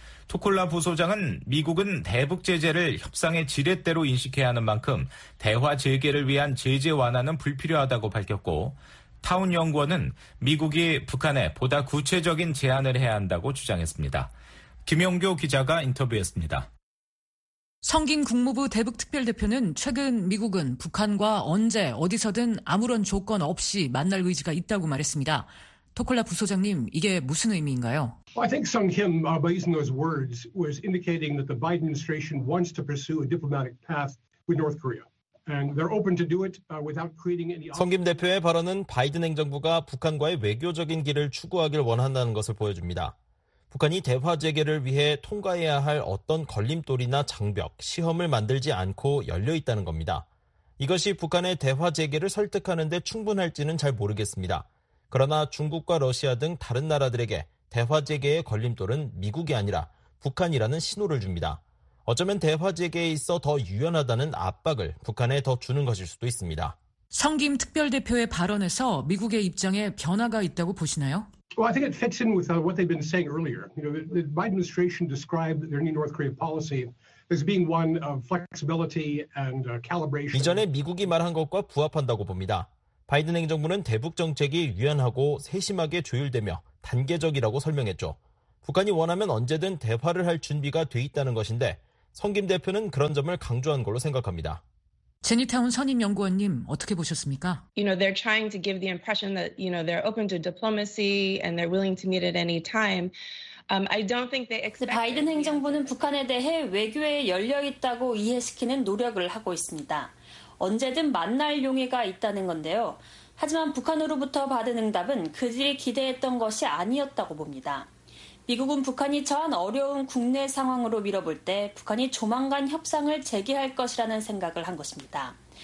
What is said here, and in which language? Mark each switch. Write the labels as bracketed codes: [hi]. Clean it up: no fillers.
[ko] 토콜라 부소장은 미국은 대북 제재를 협상의 지렛대로 인식해야 하는 만큼 대화 재개를 위한 제재 완화는 불필요하다고 밝혔고 타운 연구원은 미국이 북한에 보다 구체적인 제안을 해야 한다고 주장했습니다. 김영교 기자가 인터뷰했습니다. 성긴 국무부 대북특별대표는 최근 미국은 북한과 언제 어디서든 아무런 조건 없이 만날 의지가 있다고 말했습니다. 포콜라 부소장님, 이게 무슨 의미인가요? [en] I think Sung Kim, by using those words, was indicating that the Biden administration wants to pursue a diplomatic path with North Korea. And they're open to do it without creating any... [ko] 성 김 대표의 발언은 바이든 행정부가 북한과의 외교적인 길을 추구하길 원한다는 것을 보여줍니다. 북한이 대화 재개를 위해 통과해야 할 어떤 걸림돌이나 장벽, 시험을 만들지 않고 열려있다는 겁니다. 이것이 북한의 대화 재개를 설득하는 데 충분할지는 잘 모르겠습니다. 그러나 중국과 러시아 등 다른 나라들에게 대화 재개의 걸림돌은 미국이 아니라 북한이라는 신호를 줍니다. 어쩌면 대화 재개에 있어 더 유연하다는 압박을 북한에 더 주는 것일 수도 있습니다. 성 김 특별대표의 발언에서 미국의 입장에 변화가 있다고 보시나요? [en] Well, I think it fits in with what they've been saying earlier. You know, the Biden administration described their new North Korea policy as being one of flexibility and calibration. [ko] 이전에 미국이 말한 것과 부합한다고 봅니다. 바이든 행정부는 대북 정책이 유연하고 세심하게 조율되며 단계적이라고 설명했죠. 북한이 원하면 언제든 대화를 할 준비가 돼 있다는 것인데 성 김 대표는 그런 점을 강조한 걸로 생각합니다. 제니타운 선임 연구원님 어떻게 보셨습니까? [en] You know, they're trying to give the impression that you know they're open to diplomacy and they're willing to meet at any time. I don't think they expect. [ko] 바이든 행정부는 북한에 대해 외교에 열려 있다고 이해시키는 노력을 하고 있습니다. 언제든 만날 용의가 있다는 건데요. 하지만 북한으로부터 받은 응답은 그들이 기대했던 것이 아니었다고 봅니다. 미국은 북한이 처한 어려운 국내 상황으로 밀어볼 때 북한이 조만간 협상을 재개할 것이라는 생각을 한 것입니다.